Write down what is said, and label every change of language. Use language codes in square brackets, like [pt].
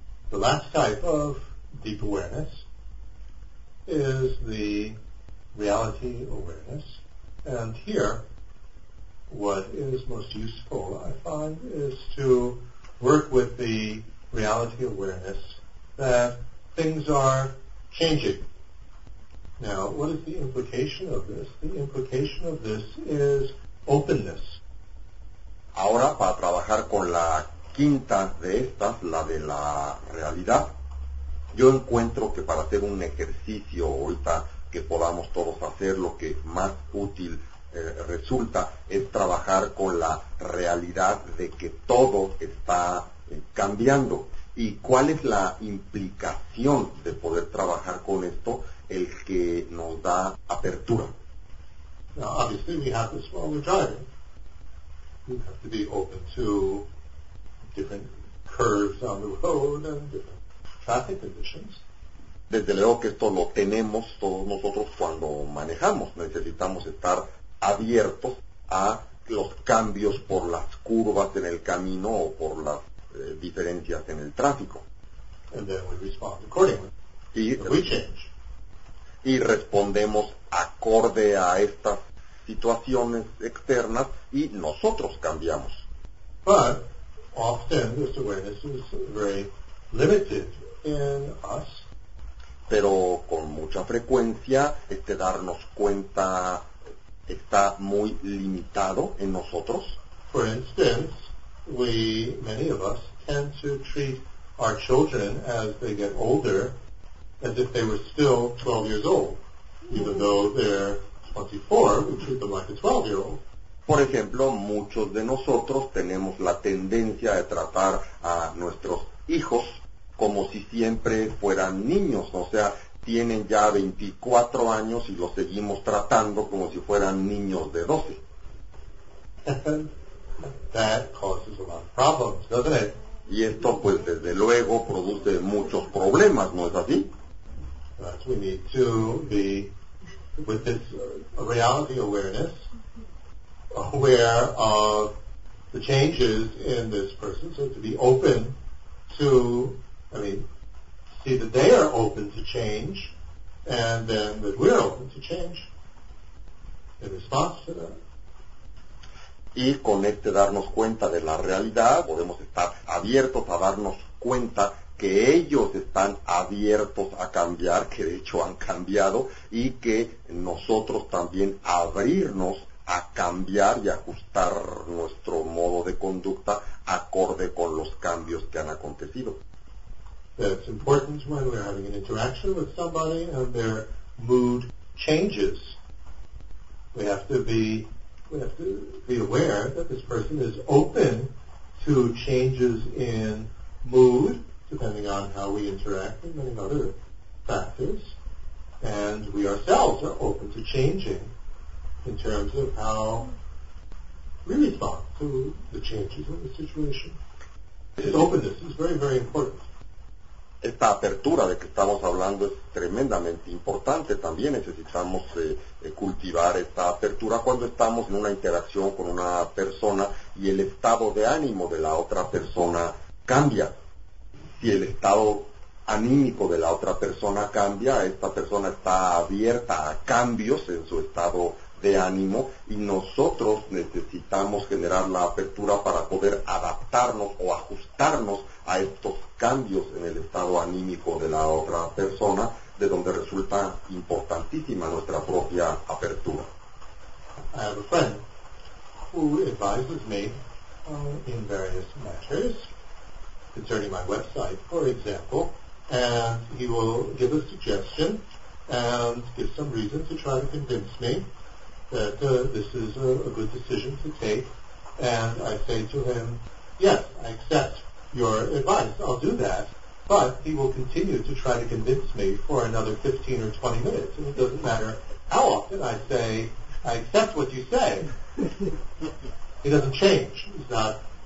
[en] The last type of deep awareness is the reality awareness. And here, what is most useful, I find, is to work with the reality awareness that things are changing. Now, what is the implication of this? The implication of this is openness. [es] Ahora, para trabajar con la quinta de estas, la de la realidad, yo encuentro que para hacer un ejercicio ahorita que podamos todos hacer, lo que más útil resulta es trabajar con la realidad de que todo está cambiando. ¿Y cuál es la implicación de poder trabajar con esto? El que nos da apertura. [en] Now, obviously, we have this while we're driving. We have to be open to different curves on the road and different traffic conditions. [es] Desde luego que esto lo tenemos todos nosotros cuando manejamos. Necesitamos estar abiertos a los cambios por las curvas en el camino o por las diferencias en el tráfico. [en] And then we respond accordingly. We change. [es] Y respondemos acorde a estas situaciones externas y nosotros cambiamos. [en] But often this awareness is very limited in us. [es] Pero con mucha frecuencia este darnos cuenta está muy limitado en nosotros. [en] For instance, we, many of us, tend to treat our children as they get older as if they were still 12 years old. Even though they're 24, we treat them like a 12-year-old. [es] Por ejemplo, muchos de nosotros tenemos la tendencia de tratar a nuestros hijos como si siempre fueran niños, o sea, tienen ya 24 años y los seguimos tratando como si fueran niños de 12. [en] That causes a lot of problems, doesn't it? [es] Y esto, pues, desde luego, produce muchos problemas, ¿no es así? [en] But we need to be, with this reality awareness, aware of the changes in this person, so to be open to, I mean, see that they are open to change, and then that we're open to change in response to that. [es] Y con este darnos cuenta de la realidad, podemos estar abiertos a darnos cuenta que ellos están abiertos a cambiar, que de hecho han cambiado, y que nosotros también abrirnos a cambiar y ajustar nuestro modo de conducta acorde con los cambios que han acontecido. [en] It's important when we're having an interaction with somebody and their mood changes. We have to be aware that this person is open to changes in mood, depending on how we interact and many other factors. And we ourselves are open to changing in terms of how we respond to the changes in the situation. This openness is very, very important. [es] Esta apertura de que estamos hablando es tremendamente importante. También necesitamos cultivar esta apertura cuando estamos en una interacción con una persona y el estado de ánimo de la otra persona cambia. Si el estado anímico de la otra persona cambia, esta persona está abierta a cambios en su estado de ánimo y nosotros necesitamos generar la apertura para poder adaptarnos o ajustarnos a estos cambios en el estado anímico de la otra persona, de donde resulta importantísima nuestra propia apertura. [en] I have a friend who advises me in various matters concerning my website, for example, and he will give a suggestion and give some reason to try to convince me that this is a good decision to take, and I say to him, yes, I accept your advice, I'll do that, but he will continue to try to convince me for another 15 or 20 minutes, and it doesn't matter how often I say, I accept what you say, he doesn't change, he's not